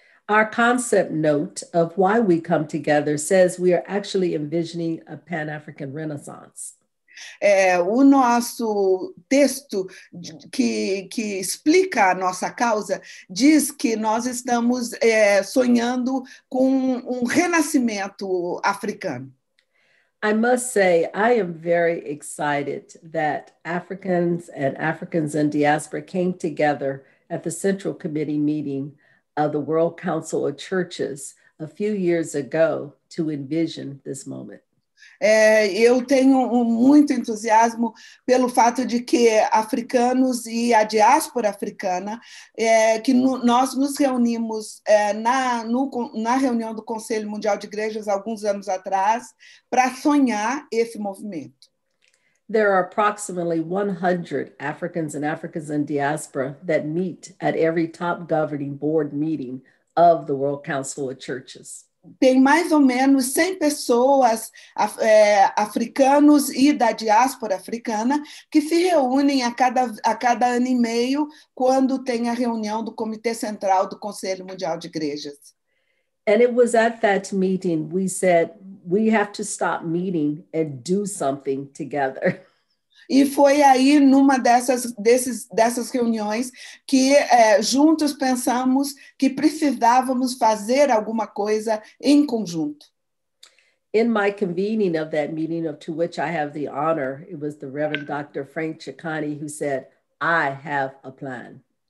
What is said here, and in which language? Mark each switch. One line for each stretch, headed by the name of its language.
English: Our concept note of why we come together says we are actually envisioning a Pan-African Renaissance.
Portuguese: O nosso texto que explica a nossa causa diz que nós estamos sonhando com renascimento africano.
English: I must say, I am very excited that Africans and Africans in diaspora came together at the Central Committee meeting of the World Council of Churches a few years ago to envision this moment.
Portuguese: Eu tenho muito entusiasmo pelo fato de que africanos e a diáspora africana, que nós nos reunimos na reunião do Conselho Mundial de Igrejas alguns anos atrás, para sonhar esse movimento.
English: There are approximately 100 Africans and Africans in diaspora that meet at every top governing board meeting of the World Council of Churches.
Portuguese: Tem mais ou menos 100 pessoas africanos e da diáspora africana que se reúnem a cada ano e meio quando tem a reunião do Comitê Central do Conselho Mundial de Igrejas.
English: And it was at that meeting we said we have to stop meeting and do something together.
Portuguese: E foi aí, numa dessas reuniões, que juntos pensamos que precisávamos fazer alguma coisa em conjunto.
English: In my convening of that meeting, of to which I have the honor, it was the Reverend Dr. Frank Chikane who said, I have a plan.